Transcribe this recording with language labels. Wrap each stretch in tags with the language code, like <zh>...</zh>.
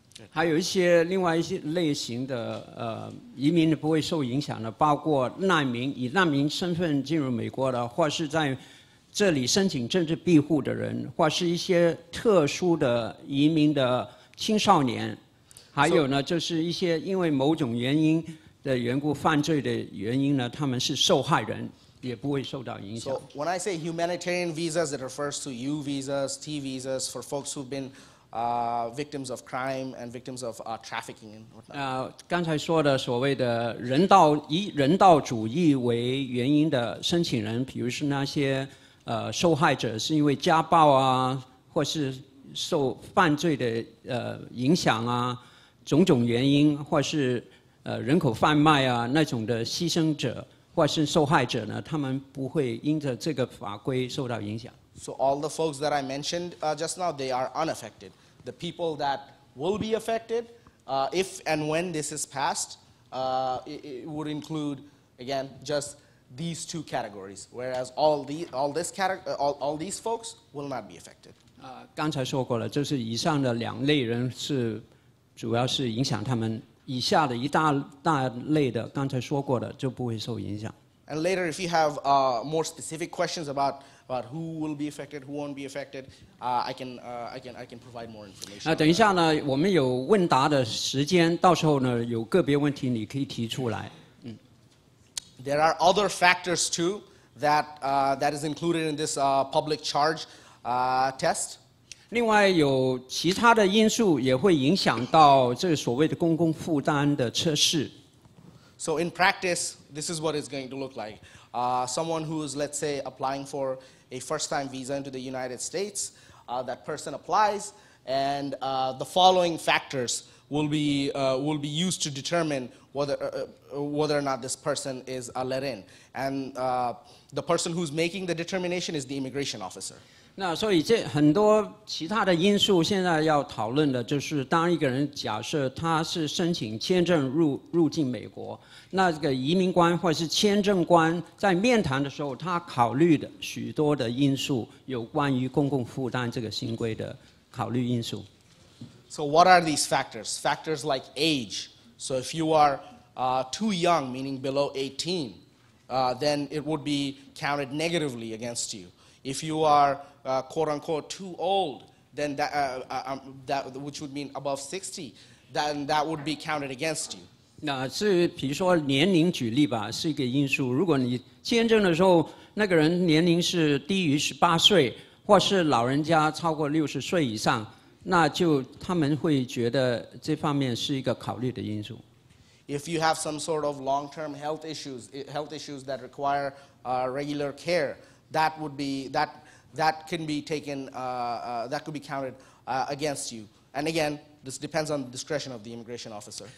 <zh>还有一些另外一些类型的移民不会受影响的，包括难民，以难民身份进入美国的，或是在这里申请政治庇护的人，或是一些特殊的移民的青少年，还有呢，就是一些因为某种原因的缘故犯罪的原因呢，他们是受害人。也不会受到影响。</zh> <en>So when I say humanitarian visas, it refers to U visas, T visas for folks who've been victims of crime and victims of trafficking and whatnot. 刚才说的所谓的人道以人道主义为原因的申请人，比如是那些受害者是因为家暴啊，或是受犯罪的影响啊，种种原因，或是人口贩卖啊那种的牺牲者。或是受害者呢，他们不会因着这个法规受到影响。 So all the folks that I mentioned just now, they are unaffected. The people that will be affected, if and when this is passed, it would include, again, just these two categories. Whereas all these folks will not be affected.</en> <zh>刚才说过了，就是以上的两类人是主要是影响他们。以下的一大大类的，刚才说过的就不会受影响。</zh> <en>And later, if you have more specific questions about who will be affected, who won't be affected, I can provide more information.</en> <zh>等一下呢，我们有问答的时间，到时候呢有个别问题你可以提出来。</zh> <en>There are other factors too that is included in this public charge test.</en> <zh>另外有其他的因素也会影响到这所谓的公共负担的测试。</zh> <en>So in practice, this is what it's going to look like. Someone who is, let's say, applying for a first-time visa into the United States, that person applies, and the following factors will be used to determine whether or not this person is let in. And the person who's making the determination is the immigration officer.</en> <zh>那所以这很多其他的因素现在要讨论的就是当一个人假设他是申请签证 入境美国，那这个移民官或是签证官在面谈的时候他考虑的许多的因素，有关于公共负担这个新规的考虑因素。</zh> <en>So what are these factors? Factors like age. So if you are too young, meaning below 18, then it would be counted negatively against you. If you arequote-unquote, too old, then that which would mean above 60, then that would be counted against you.</en> <zh>那是比如说年龄举例吧，是一个因素。如果你签证的时候那个人年龄是低于18岁，或是老人家超过60岁以上，那就他们会觉得这方面是一个考虑的因素。</zh> <en>If you have some sort of long-term health issues that require regular care, that could be counted against you. And again, this depends on the discretion of the immigration officer.</en>